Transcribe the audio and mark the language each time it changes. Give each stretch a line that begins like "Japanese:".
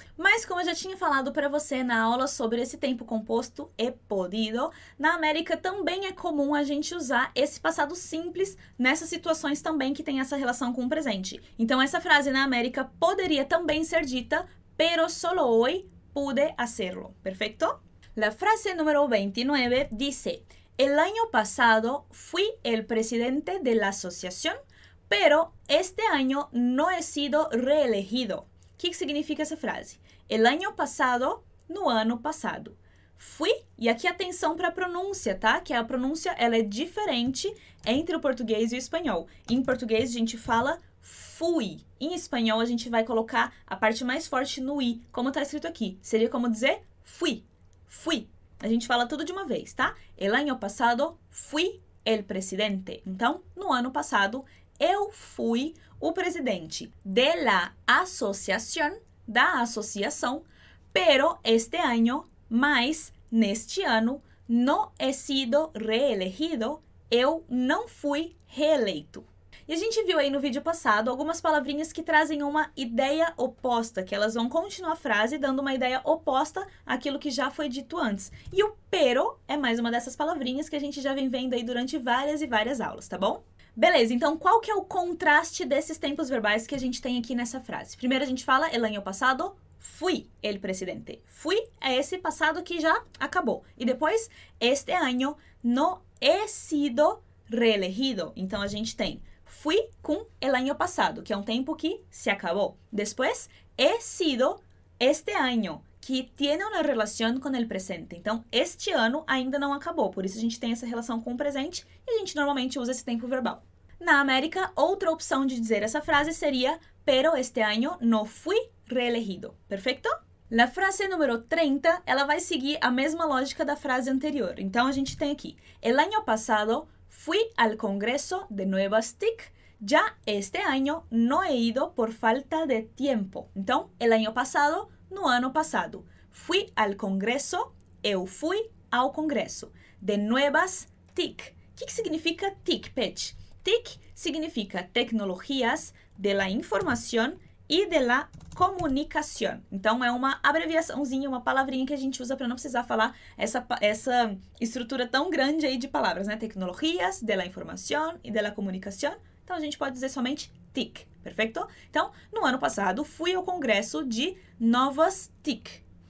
Portuguese: Mas como eu já tinha falado para você na aula sobre esse tempo composto he podido, na América também é comum a gente usar esse passado simples nessas situações também que tem essa relação com o presente. Então essa frase na América poderia também ser dita
Spanish: pero solo hoy pude hacerlo.
Portuguese: Perfeito?
Spanish: La frase número 29 dice... El año pasado fui el presidente de la asociación, pero este año no he sido reelegido. ¿Qué significa esa frase? El año pasado,
Portuguese: no ano passado. Fui, e aqui atenção para a pronúncia, tá? Que a pronúncia ela é diferente entre o português e o espanhol. Em português, a gente fala fui. Em espanhol, a gente vai colocar a parte mais forte no i, como está escrito aqui. Seria como dizer fui, fui. A gente fala tudo de uma vez, tá?
Spanish: El año pasado fui el presidente.
Portuguese: Então, no ano passado, eu fui o presidente
Spanish: de la asociación,
Portuguese: da associação,
Spanish: pero este año,
Portuguese: mas neste ano,
Spanish: no he sido reelegido,
Portuguese: eu não fui reeleito. E a gente viu aí no vídeo passado algumas palavrinhas que trazem uma ideia oposta, que elas vão continuar a frase dando uma ideia oposta àquilo que já foi dito antes. E o pero é mais uma dessas palavrinhas que a gente já vem vendo aí durante várias e várias aulas, tá bom? Beleza, então qual que é o contraste desses tempos verbais que a gente tem aqui nessa frase? Primeiro a gente fala
Spanish: el año pasado fui el presidente.
Portuguese: Fui é esse passado que já acabou. E depois,
Spanish: este año no he sido reelegido.
Portuguese: Então a gente tem fui com
Spanish: el año pasado,
Portuguese: que é um tempo que se acabou. Depois,
Spanish: he sido este año, que tiene una relación con el presente.
Portuguese: Então, este ano ainda não acabou, por isso a gente tem essa relação com o presente e a gente normalmente usa esse tempo verbal. Na América, outra opção de dizer essa frase seria
Spanish: pero este año no fui reelegido.
Portuguese: Perfeito?
Spanish: La frase número 30,
Portuguese: ela vai seguir a mesma lógica da frase anterior. Então, a gente tem aqui
Spanish: el año pasado fui al Congreso de Nuevas TIC. Ya este año no he ido por falta de tiempo.
Portuguese: Então,
Spanish: el año pasado,
Portuguese: no ano passado.
Spanish: Fui al Congreso,
Portuguese: eu fui ao Congresso. De Nuevas TIC. O que significa TIC, Pitch?
Spanish: TIC significa Tecnologías de la Información y de la Comunicación.
Portuguese: Então, é uma abreviaçãozinha, uma palavrinha que a gente usa para não precisar falar essa estrutura tão grande aí de palavras, né?
Spanish: Tecnologías de la Información y de la Comunicación.
Portuguese: Então, a gente pode dizer somente TIC, perfeito? Então, no ano passado, fui ao Congresso de Novas TIC.